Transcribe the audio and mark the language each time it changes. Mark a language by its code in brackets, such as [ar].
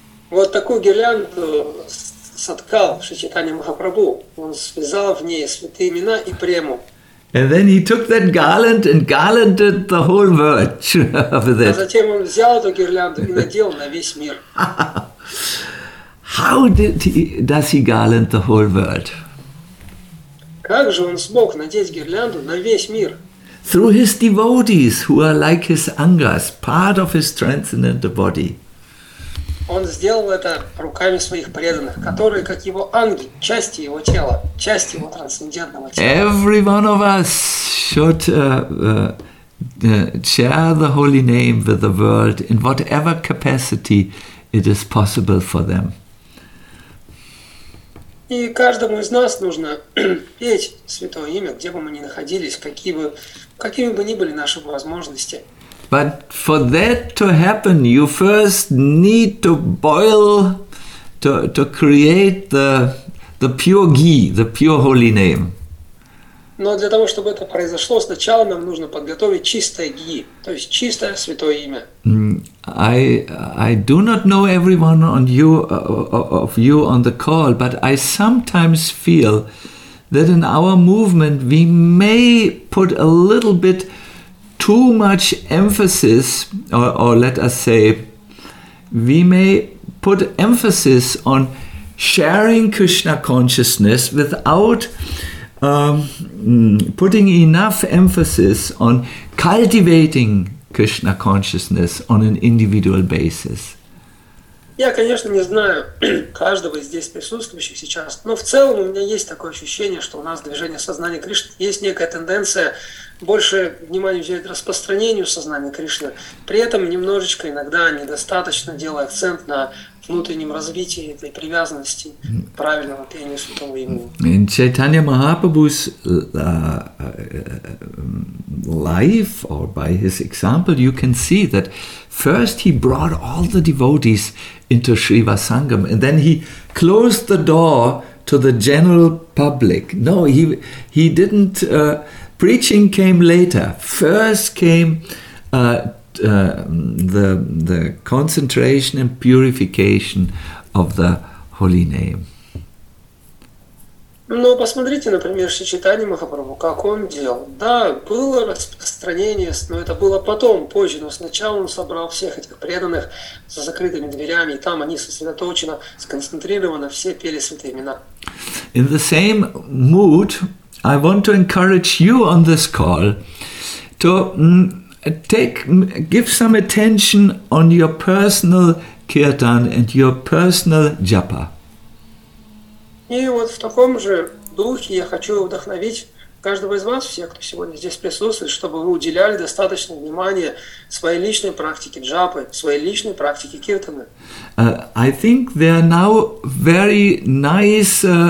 [ru] Вот такую гирлянду соткал Шри Чайтанья Махапрабху. Он связал в ней святые имена и прему. [en] And then he took that garland and garlanded the whole world with it. [ru] А затем он взял эту гирлянду и надел на весь мир. [en] How does he garland the whole world? [ru] Как же он смог надеть гирлянду на весь мир? [en] Through his devotees, who are like his angas, part of his transcendental body. [ru] Он сделал это руками своих преданных, которые, как его анги, части его тела, части его трансцендентного тела. [en] Every one of us should share the holy name with the world in whatever capacity it is possible for them. [ru] И каждому из нас нужно петь святое имя, где бы мы ни находились, какими бы ни были наши возможности. [en] But for that to happen, you first need to boil, to create the pure ghee, the pure holy name. [ru] Но для того, чтобы это произошло, сначала нам нужно подготовить чистое ги, то есть чистое святое имя. [en] I do not know everyone on you of you on the call, but I sometimes feel that in our movement we may put a little bit too much emphasis, or let us say, we may put emphasis on sharing Krishna consciousness without putting enough emphasis on cultivating Krishna consciousness on an individual basis. [ru] Я, конечно, не знаю каждого из здесь присутствующих сейчас, но в целом у меня есть такое ощущение, что у нас движение сознания Кришны есть некая тенденция больше внимания уделять распространению сознания Кришны, при этом немножечко иногда недостаточно делая акцент на внутреннем развитии этой привязанности к правильному пению святого имени. [en] Чайтанья Махапрабху's life, or by his example, you can see that first he brought all the devotees into Sri Vasangam, and then he closed the door to the general public. No, he didn't. Preaching came later. First came the concentration and purification of the holy name. [ru] Но посмотрите, например, Шри Чайтанья Махапрабху, как он делал. Да, было распространение, но это было потом, позже, но сначала он собрал всех этих преданных за закрытыми дверями, и там они сосредоточенно, сконцентрированно все пели святые имена. [en] In the same mood, I want to encourage you on this call to give some attention on your personal kirtan and your personal japa. [ru] И вот в таком же духе я хочу вдохновить каждого из вас, всех, кто сегодня здесь присутствует, чтобы вы уделяли достаточно внимания своей личной практике джапы, своей личной практике киртаны. [en] I think there are now very nice...